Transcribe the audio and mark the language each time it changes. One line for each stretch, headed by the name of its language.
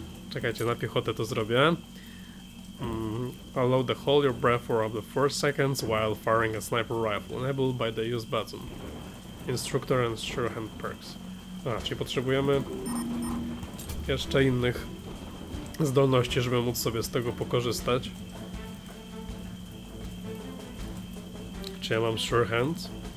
Polish: Czekajcie, na piechotę to zrobię.
English: Allow the hold your breath for up to 4 seconds while firing a sniper rifle. Enabled by the use button. Instructor and sure hand perks.
Polish: A, czyli potrzebujemy jeszcze innych zdolności, żeby móc sobie z tego pokorzystać. Czy ja mam sure hand?